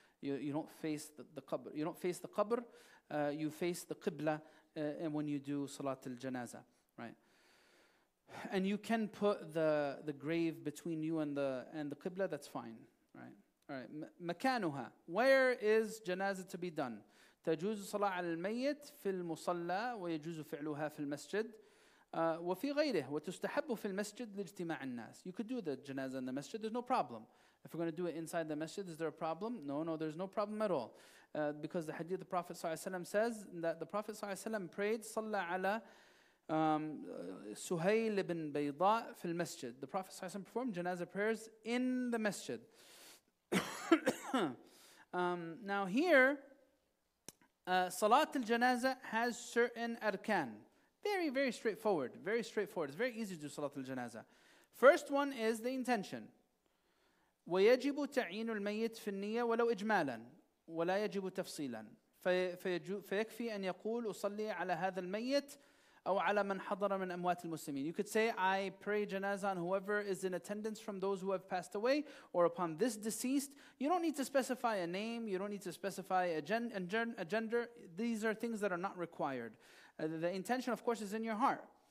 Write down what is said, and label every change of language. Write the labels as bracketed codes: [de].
[en] You don't face the Qabr. You don't face the Qabr, you face the Qibla when you do Salat al-Janazah, right? And you can put the grave between you and the Qibla, that's fine. Right. All right. مكانها. Where is janazah to be done? [ar] تجوز صلاة الميت في المصلى ويجوز فعلها في المسجد وفي غيره وتستحب في المسجد لاجتماع الناس. [en] You could do the janazah in the masjid, there's no problem. If we're going to do it inside the masjid, is there a problem? No, there's no problem at all. Because the hadith of the Prophet ﷺ says that the Prophet ﷺ prayed [ar] صلى على [en] Suhail ibn Bayda fil Masjid. The Prophet ﷺ performed janazah prayers in the masjid. Now here, Salat al-Janazah has certain arkan. Very, very straightforward. Very straightforward. It's very easy to do Salat al-Janazah. First one is the intention. [ar] وَيَجِبُ تَعِينُ الْمَيِّتِ فِي النِّيَّةِ وَلَوْ إِجْمَالًا وَلَا يَجِبُ تَفْصِيلًا فَيَكْفِي أَنْ يَقُولُ أُصَلِّي عَلَى هَذَا الْمَيِّتِ أو على من حضر من أموات المسلمين. [en] You could say, I pray janazah on whoever is in attendance from those who have passed away, or upon this deceased. You don't need to specify a name. You don't need to specify a gender. These are things that are not required. The intention, of course, is in your heart.